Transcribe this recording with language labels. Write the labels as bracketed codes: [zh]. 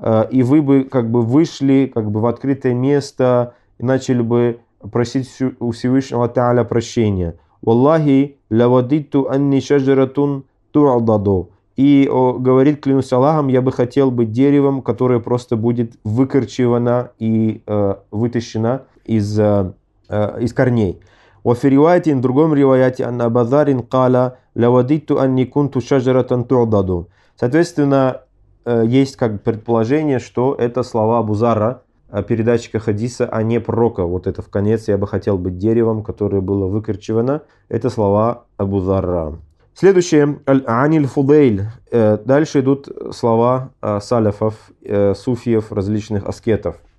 [ru] И вы бы как бы вышли как бы в открытое место и начали бы просить у Всевышнего Тааля прощения. [ar] Валлахи лавадитту анни шаджаратун туададу. [ru] И говорит, клянусь Аллахом, я бы хотел быть деревом, которое просто будет выкорчевано и вытащено из, из корней. [ar] وفي رواية [ru] в другом ревайате [ar] أن بذار قال لوددت أني كنت شجرة تعضد. [ru] Соответственно, есть как предположение, что это слова Абу Зара, передатчика хадиса, а не пророка. Вот это в конец, я бы хотел быть деревом, которое было выкорчевано. Это слова Абу Зара. Следующее, Аниль Фудейль. Дальше идут слова салифов, суфиев, различных аскетов.